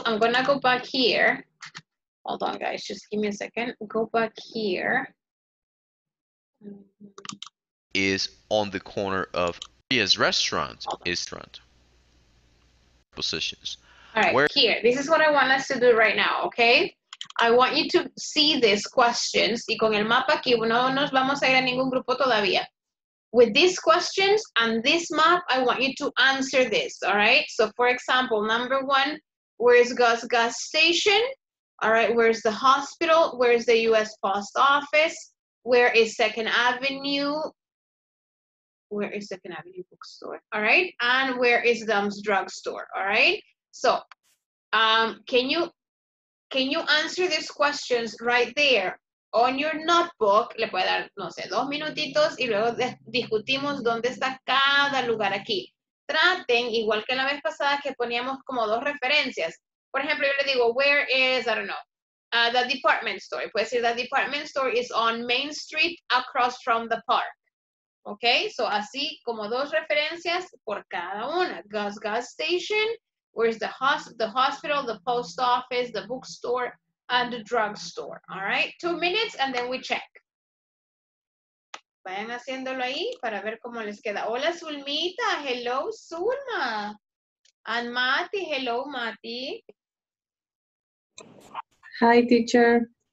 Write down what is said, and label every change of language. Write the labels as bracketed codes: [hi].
[en] I'm going to go back here. Hold on, guys, just give me a second. Go back here. Is on the corner of Maria's restaurant. Restaurant. Positions. All right, here. This is what I want us to do right now, okay? I want you to see these questions. [es] Y con el mapa aquí, no nos vamos a ir a ningún grupo todavía. [en] With these questions and this map, I want you to answer this, all right? So, for example, number one, where is Gus's gas station? All right, where is the hospital? Where is the U.S. Post Office? Where is 2nd Avenue? Where is 2nd Avenue Bookstore? All right, and where is Dumb's Drugstore? All right, so can you answer these questions right there? On your notebook, [es] le puede dar, no sé, dos minutitos y luego discutimos dónde está cada lugar aquí. Traten, igual que la vez pasada, que poníamos como dos referencias. Por ejemplo, yo le digo, [en] where is, I don't know, the department store. [es] Puede decir, [en] the department store is on Main Street across from the park. [es] Okay, so así como dos referencias por cada una. [en] Gas station, where's the hospital, the post office, the bookstore, and the drugstore. All right, 2 minutes and then we check. [es] Vayan haciéndolo ahí para ver cómo les queda. [en] Hola, Zulmita. Hello, Zulma. And Mati. Hello, Mati. Hi, teacher.